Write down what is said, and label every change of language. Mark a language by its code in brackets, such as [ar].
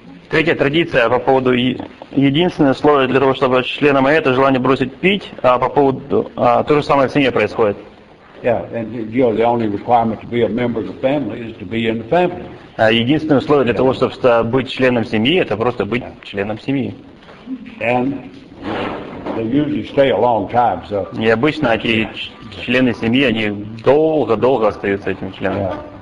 [ru] Третья традиция по поводу единственное условие для того, чтобы членом моей, это желание бросить пить, а по поводу то же самое в семье происходит. [en] Yeah, and the only requirement to be a member of the family is to be in the family. [ru] Единственное условие для того, чтобы быть членом семьи, это просто быть членом семьи. [en] And they usually stay a long time, so. [ru] И обычно эти члены семьи, они долго остаются этими членами.